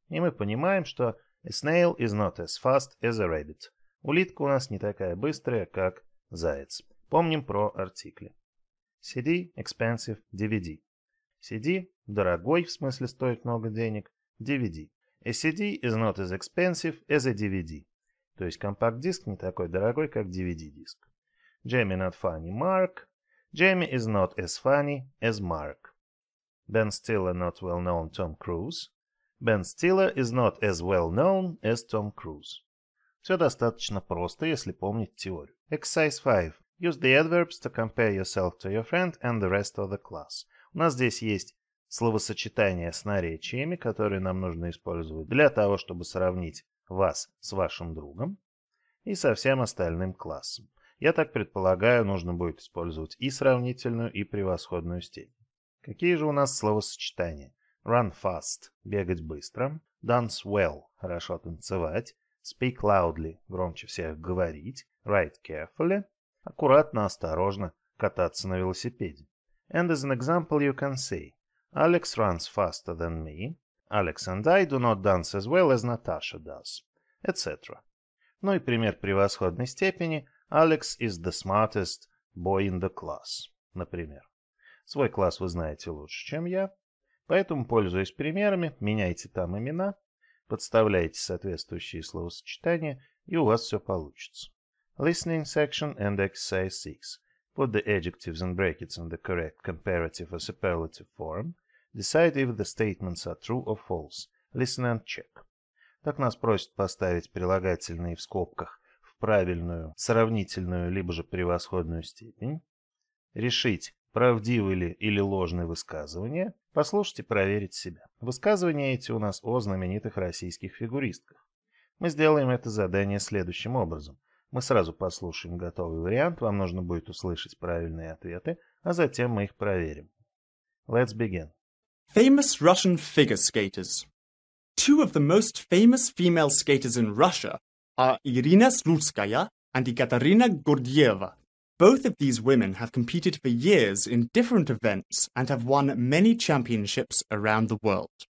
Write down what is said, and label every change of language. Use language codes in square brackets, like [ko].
[ru] И мы понимаем, что [en] a snail is not as fast as a rabbit. [ru] Улитка у нас не такая быстрая, как заяц. Помним про артикли. CD, expensive, DVD. CD, дорогой, в смысле стоит много денег, DVD. [en] A CD is not as expensive as a DVD. [ru] То есть компакт-диск не такой дорогой, как DVD-диск. [en] Jamie not funny, Mark. Jamie is not as funny as Mark. Ben Stiller not well-known, Tom Cruise. Ben Stiller is not as well-known as Tom Cruise. [ru] Все достаточно просто, если помнить теорию. [en] Exercise 5. Use the adverbs to compare yourself to your friend and the rest of the class. [ru] У нас здесь есть словосочетания с наречиями, которые нам нужно использовать для того, чтобы сравнить вас с вашим другом и со всем остальным классом. Я так предполагаю, нужно будет использовать и сравнительную, и превосходную степень. Какие же у нас словосочетания? [en] Run fast [ru] – бегать быстро. [en] Dance well [ru] – хорошо танцевать. [en] Speak loudly [ru] – громче всех говорить. [en] Ride carefully [ru] – аккуратно, осторожно кататься на велосипеде. [en] And as an example you can see – Alex runs faster than me. Alex and I do not dance as well as Natasha does, etc. [ru] Ну и пример превосходной степени. [en] Alex is the smartest boy in the class, например. [ru] Свой класс вы знаете лучше, чем я. Поэтому, пользуясь примерами, меняйте там имена, подставляйте соответствующие словосочетания, и у вас все получится. [en] Listening section and exercise 6. Put the adjectives and brackets in the correct comparative or superlative form. Decide if the statements are true or false. Listen and check. [ru] Так нас просят поставить прилагательные в скобках в правильную, сравнительную, либо же превосходную степень. Решить, правдивы ли или ложны высказывания. Послушайте, проверить себя. Высказывания эти у нас о знаменитых российских фигуристках. Мы сделаем это задание следующим образом. Мы сразу послушаем готовый вариант. Вам нужно будет услышать правильные ответы, а затем мы их проверим. [en] Let's begin. Famous Russian figure skaters. Two of the most famous female skaters in Russia are Irina Slutskaya and Ekaterina Gordieva. Both of these women have competed for years in different events and have won many championships around the world.